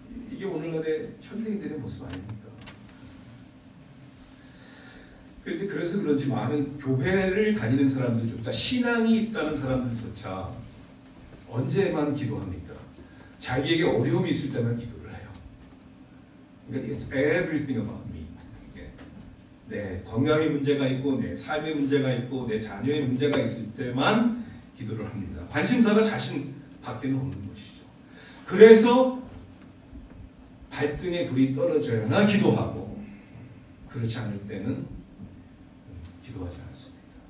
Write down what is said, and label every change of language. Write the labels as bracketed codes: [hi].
[ko] 이게 오늘날의 현대인들의 모습 아닙니까? 그래서 그런지 많은 교회를 다니는 사람들조차 신앙이 있다는 사람들조차 언제만 기도합니까? 자기에게 어려움이 있을 때만 기도를 해요. 그러니까 [en] it's everything about me. [ko] 내 건강의 문제가 있고 내 삶의 문제가 있고 내 자녀의 문제가 있을 때만 기도를 합니다. 관심사가 자신 밖에는 없는 것이죠. 그래서 발등에 불이 떨어져야나 기도하고 그렇지 않을 때는 기도하지 않습니다.